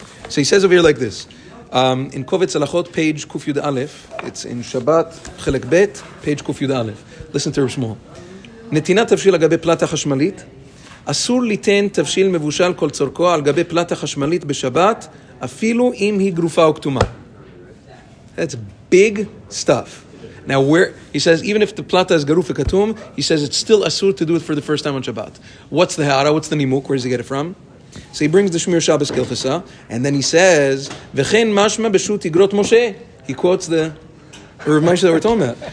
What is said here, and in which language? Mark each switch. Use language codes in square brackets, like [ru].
[en] So he says over here like this. In Kovetz Alachot, page Kuf Yud Aleph. It's in Shabbat Chelek Bet, page Kuf Yud Aleph. Listen to Shmuel. [he] Netinat tavshil agabe plata chashmalit. אסור ליתן תבשיל מבושל כל צורכו על גבי פלטה חשמלית בשבת, אפילו אם היא גרופה או כתומה. [en] That's big stuff. Now, where he says, even if the plata is garuf ekatum, he says it's still asur to do it for the first time on Shabbat. What's the hara? What's the nimuk? Where does he get it from? So he brings the Shmir Shabbos Kilchasa, and then he says, [he] וכן משמע בשוט יגרות משה. [en] He quotes the Rav Moshe that we're talking about.